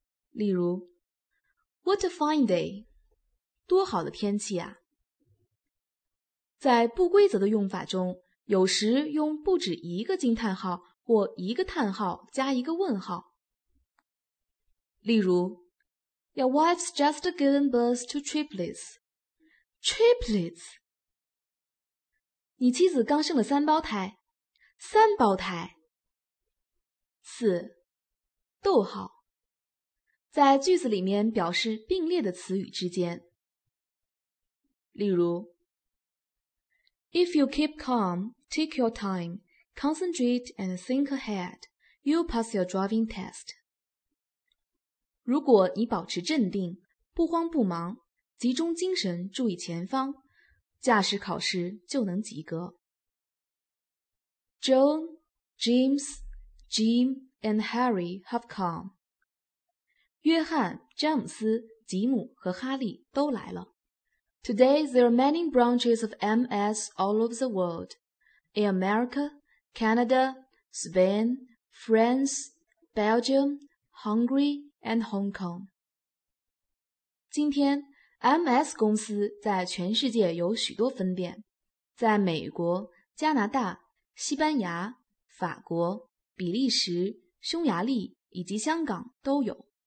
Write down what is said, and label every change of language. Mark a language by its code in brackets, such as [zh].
[zh] 例如 [en] What a fine day! [zh] 多好的天气啊！在不规则的用法中，有时用不止一个惊叹号或一个叹号加一个问号。例如 [en] Your wife's just given birth to triplets. [zh] Triplets! 你妻子刚生了三胞胎。三胞胎。四，逗号。在句子里面表示并列的词语之间。例如 [en] If you keep calm, take your time, concentrate and think ahead, you'll pass your driving test. [zh] 如果你保持镇定，不慌不忙，集中精神注意前方，驾驶考试就能及格。 [en] John, James, Jim and Harry have come. [zh] 约翰、詹姆斯、吉姆和哈利都来了。 [en] Today there are many branches of MS all over the world. In America, Canada, Spain, France, Belgium, Hungary,and Hong Kong. [zh] 今天 MS 公司在全世界有许多分店，在美国、加拿大、西班牙、法国、比利时、匈牙利以及香港都有。